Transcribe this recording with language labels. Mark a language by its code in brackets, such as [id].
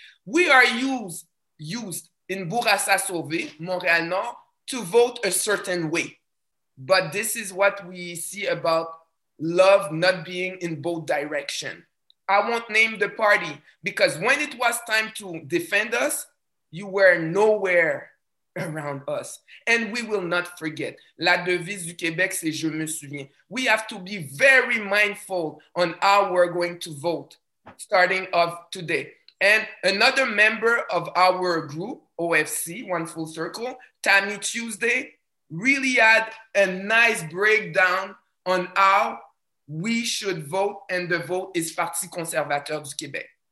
[en] We are used in Bourassa-Sauvé, Montréal-Nord, to vote a certain way. But this is what we see about love not being in both directions. I won't name the party, because when it was time to defend us, you were nowhere around us. And we will not forget. [fr] La devise du Québec, c'est je me souviens. [en] We have to be very mindful on how we're going to vote starting off today. And another member of our group, OFC, One Full Circle, Tammy Tuesday, really had a nice breakdown on how we should vote, and the vote is Parti conservateur du Québec.